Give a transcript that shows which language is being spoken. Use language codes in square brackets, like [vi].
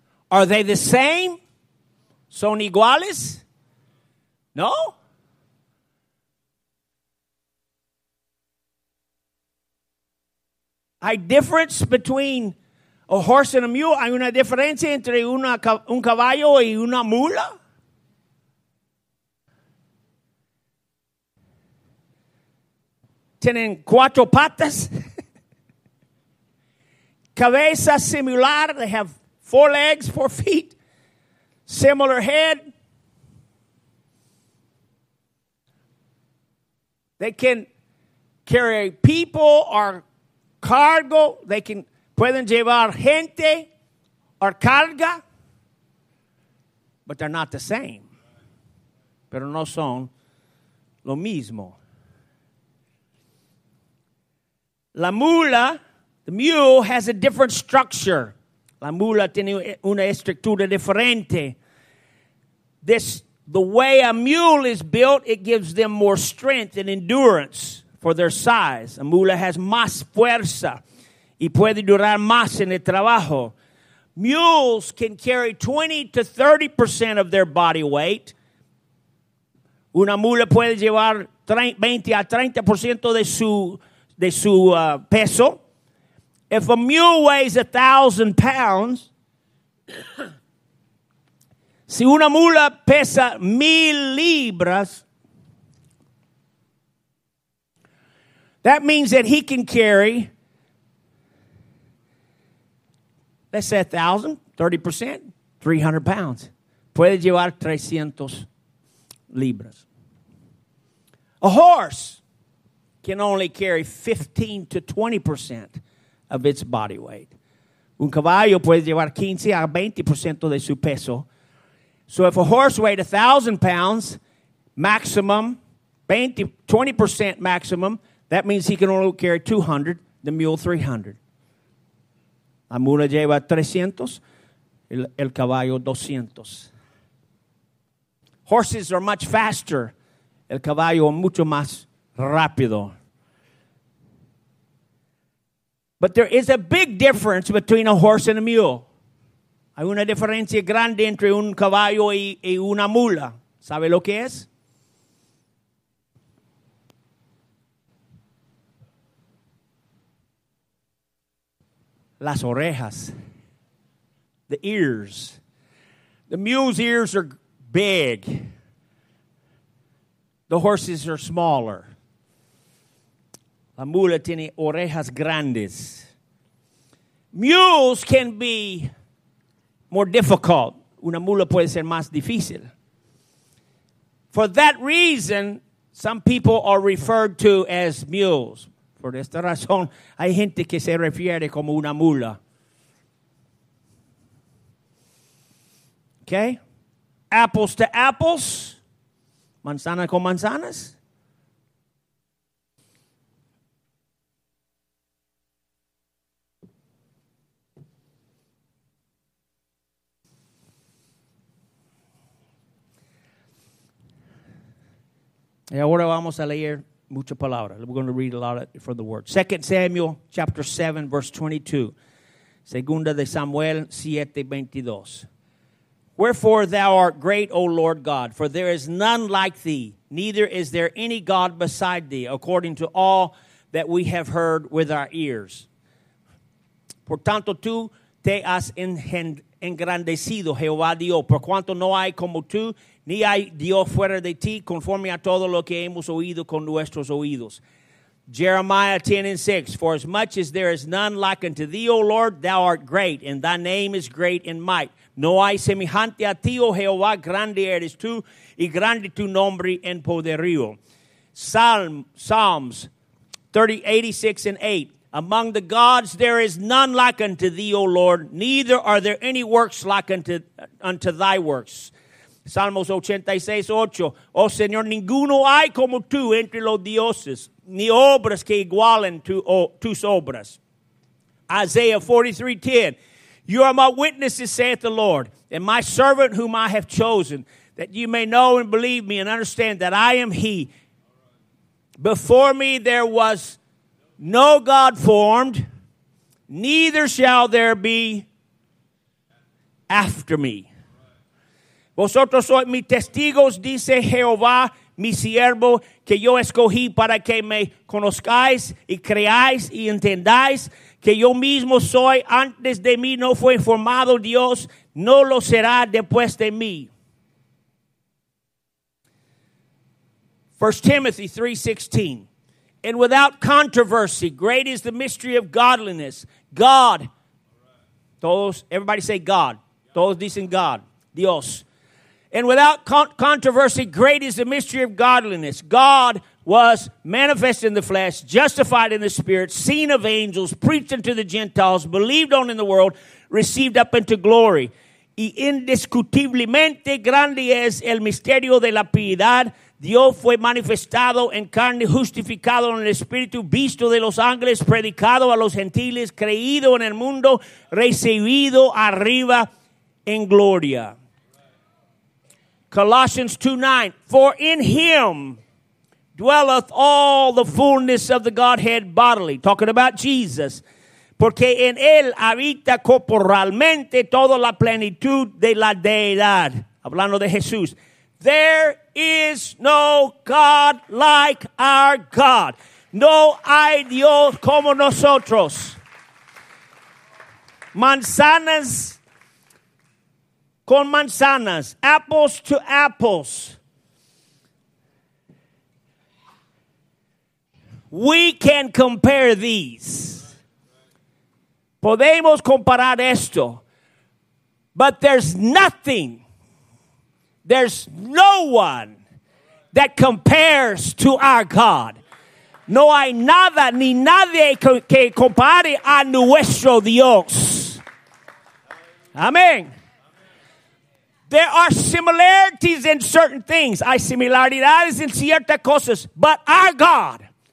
[en] Are they the same? [es] ¿Son iguales? [en] No. [es] Hay [en] difference between a horse and a mule. [es] Hay una diferencia entre un caballo y una mula. Tienen cuatro patas. Cabeza similar. [en] They have four legs, four feet, similar head. They can carry people or cargo. They can [es] pueden llevar gente [en] or [es] carga, [en] but they're not the same. [es] Pero no son lo mismo. La mula, [en] the mule, has a different structure. [es] La mula tiene una estructura diferente. [en] the way a mule is built, it gives them more strength and endurance for their size. [es] A mula [en] has [es] más fuerza y puede durar más en el trabajo. [en] Mules can carry 20 to 30% of their body weight. [es] Una mula puede llevar 20 a 30% de su peso. [en] If a mule weighs 1,000 pounds, [es] si una mula pesa 1,000 libras, [en] that means that he can carry, let's say 1,000, 30%, 300 pounds. [es] Puede llevar 300 libras. [en] A horse can only carry 15 to 20% of its body weight. [es] Un caballo puede llevar 15 a 20% de su peso. [en] So if a horse weighed 1,000 pounds maximum, 20% maximum, that means he can only carry 200, the mule 300. [es] La mula lleva 300, el caballo 200. [en] Horses are much faster. [es] El caballo mucho más rápido. [en] But there is a big difference between a horse and a mule. [es] Hay una diferencia grande entre un caballo y una mula. ¿Sabe lo que es? Las orejas. [en] The ears. The mule's ears are big. The horses are smaller. [es] La mula tiene orejas grandes. [en] Mules can be more difficult. [es] Una mula puede ser más difícil. [en] For that reason, some people are referred to as mules. [es] Por esta razón, hay gente que se refiere como una mula. [en] Okay? Apples to apples. [es] Manzana con manzanas. Y ahora vamos a leer mucha palabra. [en] We're going to read a lot of, from the Word. 2 Samuel chapter 7, verse 22. [es] Segunda de Samuel 7, 22. [en] Wherefore thou art great, O Lord God, for there is none like thee, neither is there any God beside thee, according to all that we have heard with our ears. [es] Por tanto tú te has engrandecido, Jehová Dios, por cuanto no hay como tú, ni hay Dios fuera de ti, conforme a todo lo que hemos oído con nuestros oídos. [en] Jeremiah 10 and 6, for as much as there is none like unto thee, O Lord, thou art great, and thy name is great in might. [es] No hay semejante a ti, oh Jehová, grande eres tú, y grande tu nombre en poderío. [en] Psalms 30, 86 and 8. Among the gods there is none like unto thee, O Lord, neither are there any works like unto thy works. [es] Salmos 86, 8. Oh Señor, ninguno hay como tú entre los dioses, ni obras que igualen tus obras. [en] Isaiah 43, 10. You are my witnesses, saith the Lord, and my servant whom I have chosen, that you may know and believe me and understand that I am he. Before me there was no God formed, neither shall there be after me. [es] Vosotros sois mis testigos, dice Jehová, mi siervo, que yo escogí para que me conozcáis y creáis y entendáis. Que yo mismo soy, antes de mí no fue formado Dios, no lo será después de mí. [en] 1 Timothy 3:16. And without controversy, great is the mystery of godliness. God. [es] Todos, [en] everybody say God. [es] Todos dicen [en] God. [es] Dios. [en] And without controversy, great is the mystery of godliness. God was manifest in the flesh, justified in the spirit, seen of angels, preached unto the Gentiles, believed on in the world, received up into glory. [es] Y indiscutiblemente grande es el misterio de la piedad. Dios fue manifestado en carne, justificado en el espíritu, visto de los ángeles, predicado a los gentiles, creído en el mundo, recibido arriba en gloria. [en] Colossians 2:9, for in him dwelleth all the fullness of the Godhead bodily. Talking about Jesus. [es] Porque en él habita corporalmente toda la plenitud de la deidad. Hablando de Jesús. [en] There is no God like our God. [es] No hay Dios como nosotros. Manzanas con manzanas. [en] Apples to apples. We can compare these. [es] Podemos comparar esto. [en] But there's nothing. There's no one that compares to our God. [es] No hay nada ni nadie que compare a nuestro Dios. [en] Amén. There are similarities in certain things. [es] Hay similaridades en ciertas cosas. [en] But our God.